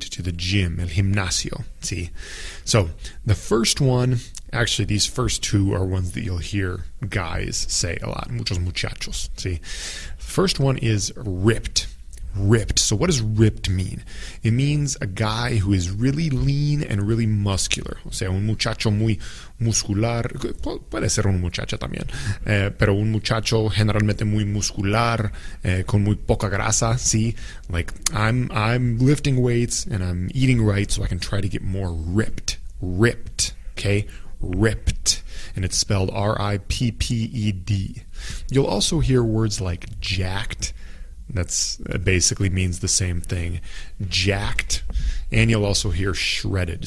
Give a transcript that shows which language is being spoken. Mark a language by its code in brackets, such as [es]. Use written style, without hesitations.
[en] To the gym, [es] el gimnasio, [en] see? So the first one, actually these first two are ones that you'll hear guys say a lot, [es] muchos muchachos, [en] see? The first one is ripped. Ripped. So what does ripped mean? It means a guy who is really lean and really muscular. [es] O sea, un muchacho muy muscular. Puede ser un muchacho también. Pero un muchacho generalmente muy muscular, con muy poca grasa, ¿sí? [en] Like, I'm lifting weights and I'm eating right so I can try to get more ripped. Ripped. Okay? Ripped. And it's spelled R-I-P-P-E-D. You'll also hear words like jacked. That's basically means the same thing, jacked, and you'll also hear shredded.